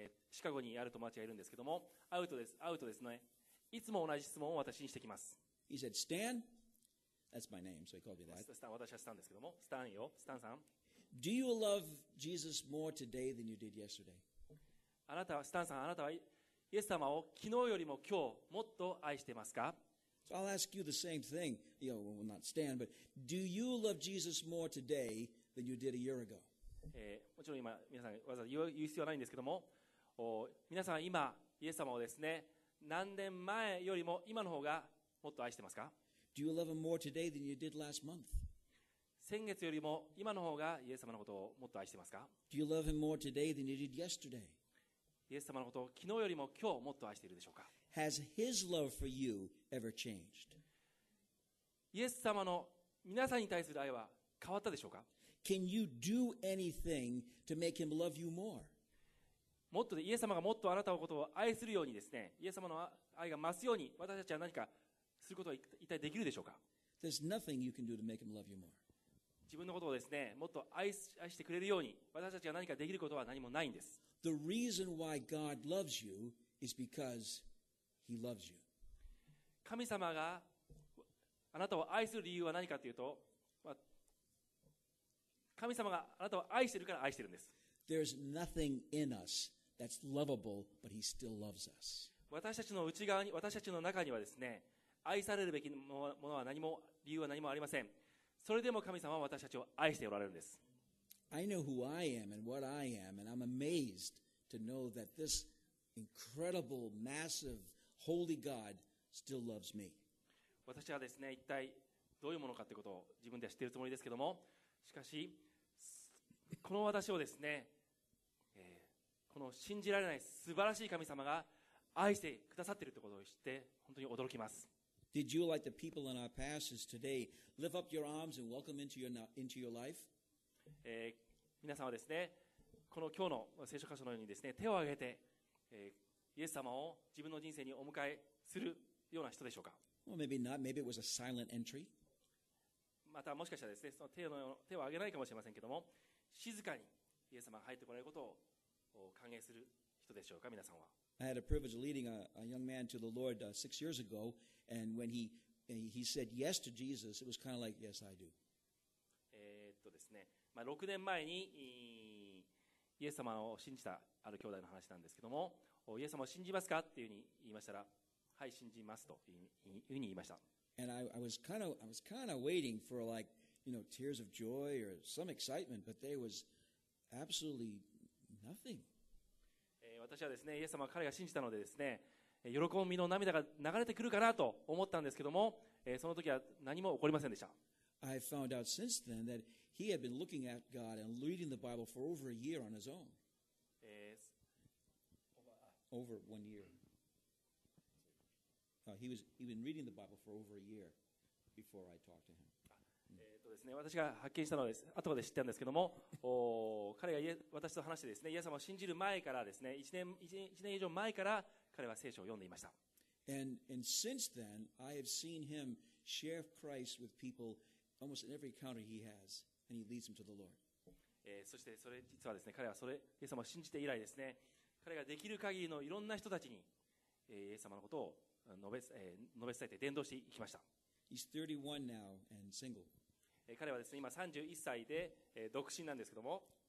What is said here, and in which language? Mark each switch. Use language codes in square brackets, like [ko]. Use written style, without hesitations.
[ja] シカゴにある友達がいるんですけども、アウトですね。いつも同じ質問を私にしてきます。 [en] He said, Stan? That's my name, so he called me that. [ja] スタン、私はスタンですけども、スタンよ、スタンさん。 [en] Do you love Jesus more today than you did yesterday? [ja] あなたはスタンさん、あなたはイエス様を昨日よりも今日もっと愛していますか？ [en] So I'll ask you the same thing. You know, well, not Stan, but do you love Jesus more today than you did a year ago? [ja] もちろん今皆さんわざわざ言う必要はないんですけども、皆さん今イエス様をですね、何年前よりも今の方がもっと愛していますか？ [en] Do you love him more today than you did last month? [ja] 先月よりも今の方がイエス様のことをもっと愛していますか？ [en] Do you love him more today than you did yesterday? [ja] イエス様のことを昨日よりも今日もっと愛しているでしょうか？ [en] Has his love for you ever changed? [ja] イエス様の皆さんに対する愛は変わったでしょうか？ [en] Can you do anything to make him love you more? [ja] もっとイエス様がもっとあなたのことを愛するようにですね、イエス様の愛が増すように私たちは何かすることは一体できるでしょうか？ [en] There's nothing you can do to make him love you more. [ja] 自分のことをですね、もっと愛してくれるように、私たちが何かできることは何もないんです。 [en] The reason why God loves you is because He loves you. [ja] 神様があなたを愛する理由は何かというと、神様があなたを愛してるから愛してるんです。 [en] There's nothing in us that's lovable, but He still loves us. [ja] 私たちの内側に、私たちの中にはですね、愛されるべきものは何も、理由は何もありません。それでも神様は私たちを愛しておられるんです。 [en] I know who I am and what I am, and I'm amazed to know that this incredible, massive, holy God still loves me. [ja] 私はですね、一体どういうものかということを自分では知っているつもりですけども、しかし、この私をですね、この信じられない素晴らしい神様が愛してくださっているということを知って、本当に驚きます。 [en] Did you like the people in our passages today lift up your arms and welcome into your life? [ja] 皆さんはですね、この今日の聖書箇所のようにですね、手を挙げて、イエス様を自分の人生にお迎えするような人でしょうか？ [en] Well, maybe not. Maybe it was a silent entry. [ja] またもしかしたらですね、その手を挙げないかもしれませんけども、静かにイエス様が入ってこられることを歓迎する人でしょうか、皆さんは？ [en] I had a privilege of leading a young man to the Lord six years ago, and when he said yes to Jesus, it was kind of like, yes, I do. [ja] ですね、まあ、6年前にイエス様を信じたある兄弟の話なんですけども、イエス様を信じますかっていうふうに言いましたら、はい、信じますというふうに言いました。 [en] And I was kind of waiting for like, you know, tears of joy or some excitement, but there was absolutely nothing. [ja] 私はですね、イエス様は彼が信じたのでですね、喜びの涙が流れてくるかなと思ったんですけども、その時は何も起こりませんでした。 [en] I found out since then that he had been looking at God and reading the Bible for over a year on his own. Over one year. He'd been reading the Bible for over a year before I talked to him. [ja] ですね、私が発見したのです。後で知ったんですけども、彼が私と話してですね、イエス様を信じる前からですね、1年以上前から彼は聖書を読んでいました。 [en] And since then, I have seen him share Christ with people almost in every encounter he has, and he leads them to the Lord. [ja] そしてそれ実はですね、彼はそれイエス様を信じて以来ですね、彼ができる限りのいろんな人たちに、イエス様のことを述べ伝えて伝道していきました。 [en] He's 31 now and single. [ja] 彼はですね、今31歳で、独身なんですけども。